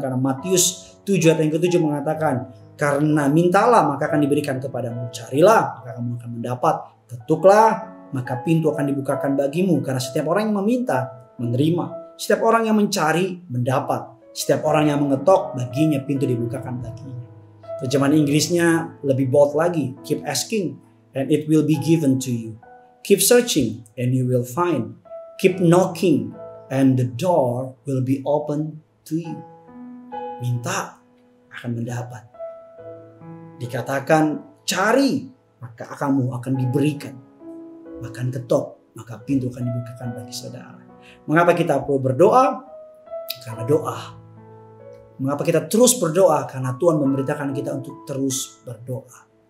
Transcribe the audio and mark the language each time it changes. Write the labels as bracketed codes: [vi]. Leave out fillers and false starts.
[id] Karena Matius 7 ayat yang ke-7 mengatakan, karena mintalah maka akan diberikan kepadamu. Carilah maka kamu akan mendapat. Ketuklah maka pintu akan dibukakan bagimu. Karena setiap orang yang meminta, menerima. Setiap orang yang mencari, mendapat. Setiap orang yang mengetok, baginya pintu dibukakan baginya. Terjemahan Inggrisnya lebih bold lagi. [en] Keep asking and it will be given to you. Keep searching and you will find. Keep knocking and the door will be open to you. [id] Minta akan mendapat. Dikatakan cari maka kamu akan diberikan. Makan ketok maka pintu akan dibukakan bagi saudara. Mengapa kita perlu berdoa? Karena doa. Mengapa kita terus berdoa? Karena Tuhan memerintahkan kita untuk terus berdoa.